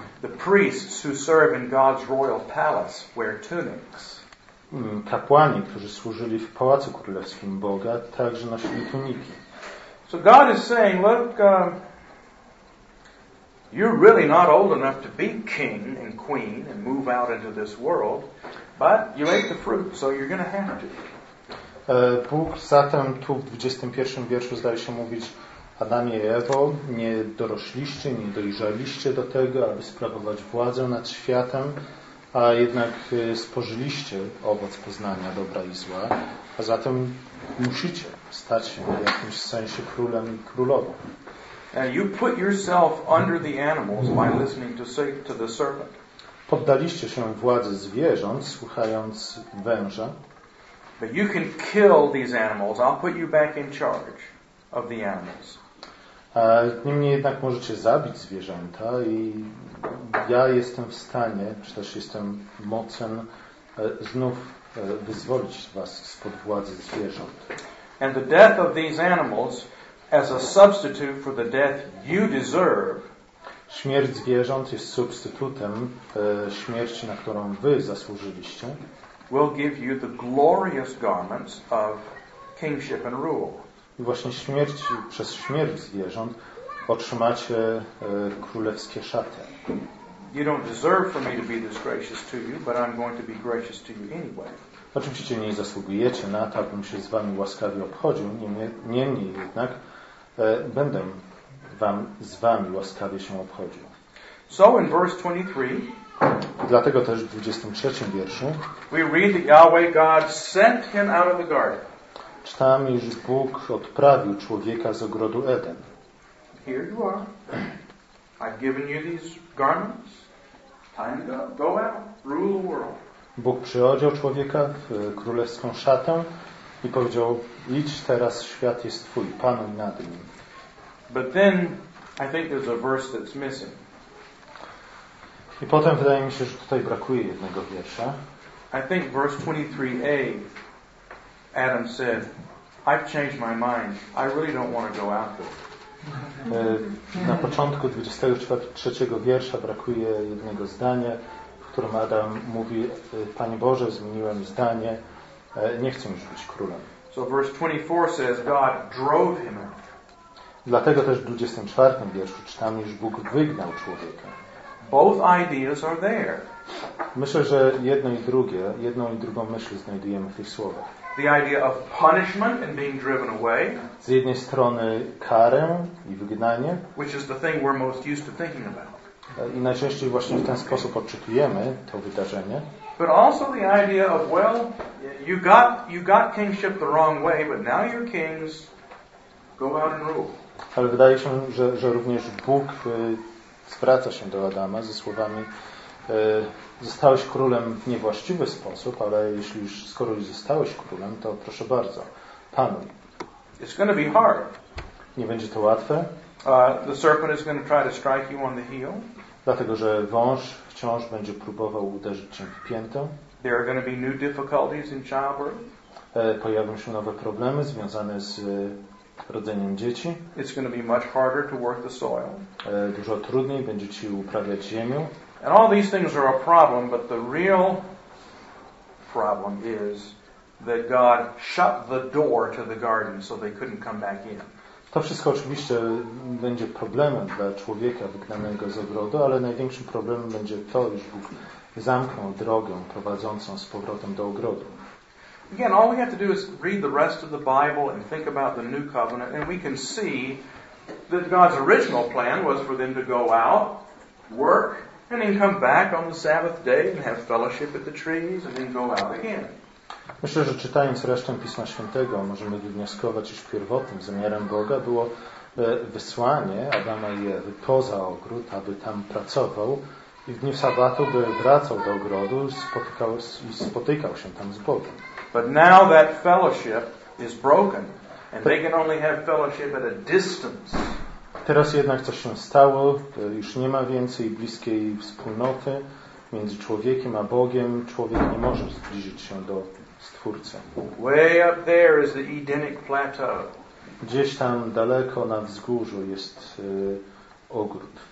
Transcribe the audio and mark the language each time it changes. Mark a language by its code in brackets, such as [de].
[en] The priests who serve in God's royal palace wear tunics. [pl] Kapłani, którzy służyli w pałacu królewskim Boga, także nosili tuniki. [en] So God is saying, look, you're really not old enough to be king and queen and move out into this world, but you ate the fruit, so you're going to have to. [pl] Bóg zatem tu w 21 wierszu zdaje się mówić: Adamie i Ewo, nie dorośliście, nie dojrzaliście do tego, aby sprawować władzę nad światem, a jednak spożyliście owoc poznania dobra i zła, a zatem musicie stać się w jakimś sensie królem i królową. [en] And you put yourself under the animals by listening to the serpent. [pl] Poddaliście się władzy zwierząt, słuchając węża. [en] But you can kill these animals. I'll put you back in charge of the animals. [pl] Niemniej jednak możecie zabić zwierzęta i ja jestem w stanie, czy też jestem mocen, znów wyzwolić was spod władzy zwierząt. [en] And the death of these animals as a substitute for the death you deserve. [pl] Śmierć zwierząt jest substytutem śmierci, na którą wy zasłużyliście. [en] Will give you the glorious garments of kingship and rule. [pl] I właśnie śmierć, przez śmierć zwierząt otrzymacie królewskie szaty. [en] You don't deserve for me to be this gracious to you, but I'm going to be gracious to you anyway. [pl] Oczywiście nie zasługujecie na to, abym się z wami łaskawie obchodził, niemniej jednak będę wam z wami łaskawie się obchodził. [en] So in verse 23, [pl] dlatego też w 23 wierszu [en] we read that Yahweh God sent him out of the garden. [pl] Czytamy, iż Bóg odprawił człowieka z ogrodu Eden. [en] Here you are. I've given you these garments. Time to go out, rule the world. [pl] Bóg przyodział człowieka w królewską szatę i powiedział: idź teraz, świat jest twój, panuj nad nim. [en] But then I think there's a verse that's missing. [pl] I potem wydaje mi się, że tutaj brakuje jednego wiersza. [en] I think verse 23a. Adam said, I've changed my mind. I really don't want to go out there. [pl] Na początku 23 wiersza brakuje jednego zdania, w którym Adam mówi: Panie Boże, zmieniłem zdanie, nie chcę już być królem. [en] So verse 24 says God drove him out. [pl] Dlatego też w 24 wierszu czytamy, iż Bóg wygnał człowieka. [en] Both ideas are there. [pl] Myślę, że jedno i drugie, jedną i drugą myśl znajdujemy w tych słowach. [en] The idea of punishment and being driven away. [pl] Z jednej strony karę i wygnanie. [en] Which is the thing we're most used to thinking about. [pl] I najczęściej właśnie w ten sposób odczytujemy to wydarzenie. [en] But also the idea of, well, you got kingship the wrong way, but now you're kings, go out and rule. [pl] Ale wydaje się, że również Bóg zwraca się do Adama ze słowami: zostałeś królem w niewłaściwy sposób, ale jeśli już, skoro już zostałeś królem, to proszę bardzo, panuj. [en] It's going to be hard. [pl] Nie będzie to łatwe. [en] The serpent is going to try to strike you on the heel. [pl] Dlatego, że wąż wciąż będzie próbował uderzyć cię w piętę. [en] There are going to be new difficulties in childbirth. [pl] Pojawią się nowe problemy związane z rodzeniem dzieci. [en] It's going to be much harder to work the soil. [pl] Dużo trudniej będzie ci uprawiać ziemię. [en] And all these things are a problem, but the real problem is that God shut the door to the garden so they couldn't come back in. [pl] To wszystko oczywiście będzie problemem dla człowieka wygnanego z ogrodu, ale największym problemem będzie to, iż Bóg zamknął drogę prowadzącą z powrotem do ogrodu. [en] Again, all we have to do is read the rest of the Bible and think about the new covenant, and we can see that God's original plan was for them to go out, work, and then come back on the Sabbath day and have fellowship at the trees, and then go out again. [pl] Myślę, że czytając resztę Pisma Świętego możemy wywnioskować, iż pierwotnym zamiarem Boga było wysłanie Adama i Ewy poza ogród, aby tam pracował i w dniu sabatu by wracał do ogrodu i spotykał się tam z Bogiem. [en] But now that fellowship is broken and they can only have fellowship at a distance. [pl] Teraz jednak coś się stało, już nie ma więcej bliskiej wspólnoty między człowiekiem a Bogiem. Człowiek nie może zbliżyć się do Stwórcy. [en] Way up there is the Edenic plateau. [pl] Gdzieś tam daleko na wzgórzu jest ogród.